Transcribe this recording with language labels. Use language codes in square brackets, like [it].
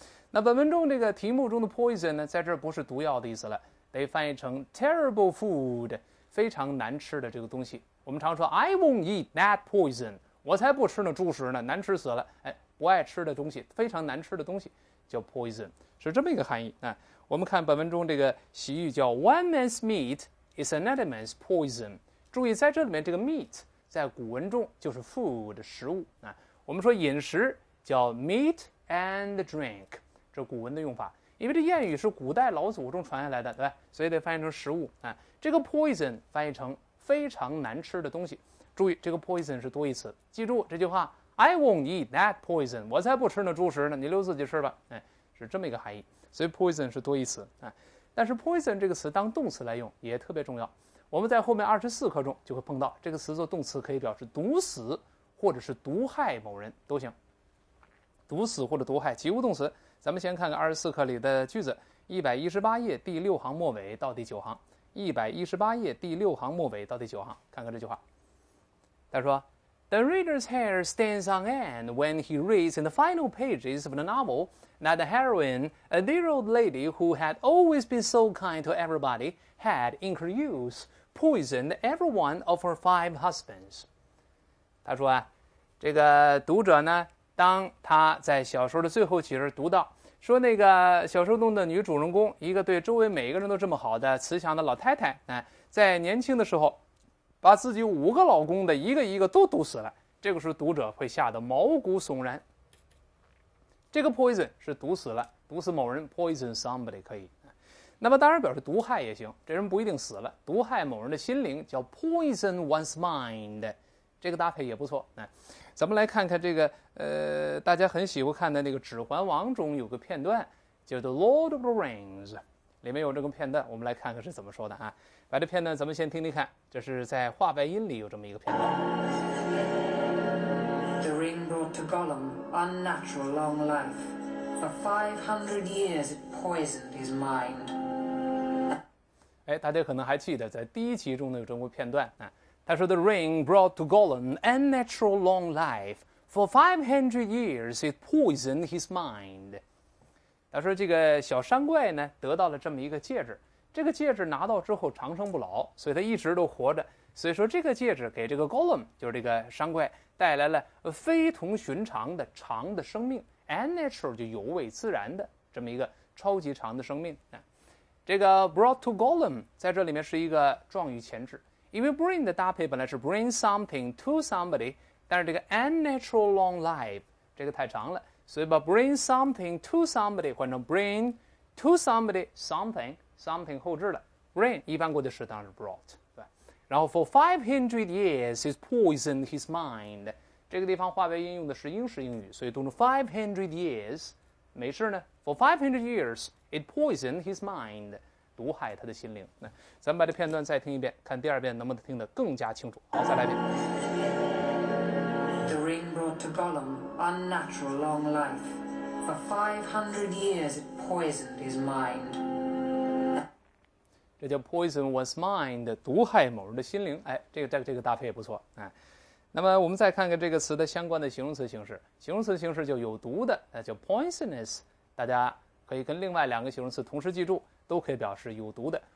[zh] 那本文中这个题目中的 poison 呢，在这儿不是毒药的意思了，得翻译成 [en] terrible food， [zh] 非常难吃的这个东西。我们常说 [en] I won't eat that poison， [zh] 我才不吃那猪食呢，难吃死了。不爱吃的东西，非常难吃的东西叫 poison， 是这么一个含义。我们看本文中这个习语叫 [en] One man's meat is another man's poison。 [zh] 注意在这里面这个 meat 在古文中就是 food 食物。我们说饮食叫 [en] meat and drink， [zh] 这是古文的用法，因为这谚语是古代老祖宗传下来的，对吧？所以得翻译成食物。这个 poison 翻译成非常难吃的东西，注意这个 poison 是多义词，记住这句话 [en] I won't eat that poison， [zh] 我才不吃那猪食呢，你留自己吃吧。是这么一个含义，所以 poison 是多义词。但是 poison 这个词当动词来用也特别重要，我们在后面24课中就会碰到这个词做动词，可以表示毒死或者是毒害某人都行，毒死或者毒害及物动词。咱们先看看24课里的句子，118页第六行末尾到第九行，118页第六行末尾到第九行，看看这句话。他说 [en] The reader's hair stands on end when he reads in the final pages of the novel that the heroine, a dear old lady who had always been so kind to everybody, had in her youth poisoned every one of her five husbands. [zh] 他说这个读者呢，当他在小说的最后几页读到说那个小说中的女主人公，一个对周围每一个人都这么好的慈祥的老太太，在年轻的时候把自己五个老公的一个一个都毒死了，这个时候读者会吓得毛骨悚然。这个 poison 是毒死了，毒死某人 [en] poison somebody [zh] 可以。那么当然表示毒害也行，这人不一定死了，毒害某人的心灵叫 [en] poison one's mind， [zh] 这个搭配也不错。那咱们来看看这个大家很喜欢看的那个《指环王》中有个片段叫做 Lord of the Rings， 里面有这个片段，我们来看看是怎么说的啊。把这片段咱们先听听看，这是在话外音里有这么一个片段。 [en] The ring brought to Gollum unnatural long life. For 500 years it poisoned his mind. [zh] 哎，大家可能还记得在第一期中呢有这么个片段啊。他说 [en] The ring brought to Gollum unnatural long life. For 500 years it poisoned his mind. [zh] 他说这个小山怪呢得到了这么一个戒指，这个戒指拿到之后长生不老，所以他一直都活着。所以说这个戒指给这个 Gollum 就是这个山怪带来了非同寻常的长的生命， unnatural 就有违自然的这么一个超级长的生命。这个 [en] brought to Gollum [zh] 在这里面是一个状语前置，因为 bring 的搭配本来是 [en] bring something to somebody， [zh] 但是这个 unnatural long life 这个太长了，所以把 bring something to somebody 换成 [en] bring to somebody something [zh] something 后置了 bring 一般过去式当然是 brought，然后 [en] for 500 years it poisoned his mind， [zh] 这个地方化为音用的是英式英语，所以读成 [en] 500 years [zh] 没事呢， for 500 years it poisoned his mind， 毒害他的心灵。那咱们把这片段再听一遍，看第二遍能不能听得更加清楚。好，再来一遍。 [en] The ring brought to Gollum unnatural long life. For 500 years it poisoned his mind. [zh] 这叫 [en] poison one's mind， [zh] 毒害某人的心灵。哎，这个搭配也不错。哎，那么我们再看看这个词的相关的形容词形式。形容词形式就有毒的，那叫 poisonous。大家可以跟另外两个形容词同时记住，都可以表示有毒的。